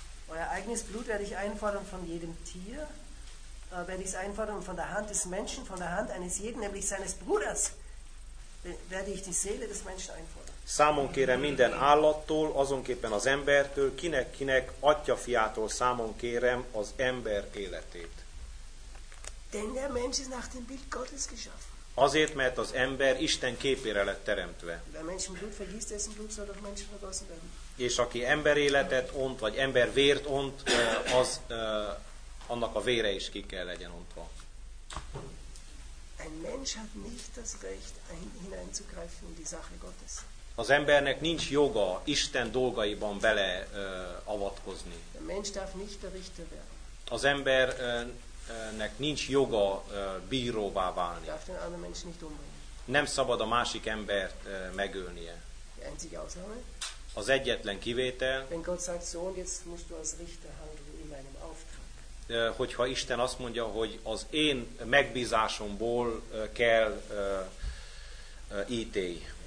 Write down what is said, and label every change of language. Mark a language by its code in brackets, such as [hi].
[de] Euer eigenes Blut werde ich einfordern von jedem Tier. Werde ich es einfordern von der Hand des Menschen, von der Hand eines jeden, nämlich seines Bruders, werde ich die Seele des Menschen einfordern. [hu] Számon kérem minden állattól, azonképpen az embertől, kinek atyafiától számon kérem az ember életét. [de] Denn der Mensch ist nach dem Bild Gottes geschaffen. [hu] Azért, mert az ember Isten képére lett teremtve. [de] Wer Menschen Blut vergießt, dessen Blut soll auf Menschen vergossen werden. [hu] És aki emberéletet ont, vagy embervért ont, az annak a vére is ki kell legyen ontva. [de] Ein Mensch hat nicht das Recht hineinzugreifen in die Sache Gottes. [hu] Az embernek nincs joga Isten dolgaiban bele avatkozni. [de] Der Mensch darf nicht der Richter werden. [hu] Az embernek nincs joga bíróvá válni. [de] Darf den anderen Menschen nicht umbringen. [hu] Nem szabad a másik embert megölnie. [de] Die einzige Ausnahme. [hu] Az egyetlen kivétel. [de] Wenn Gott sagt, Sohn, jetzt musst du als Richter handeln in meinem Auftrag. [hu] Hogyha Isten azt mondja, hogy az én megbízásomból kell ítélj.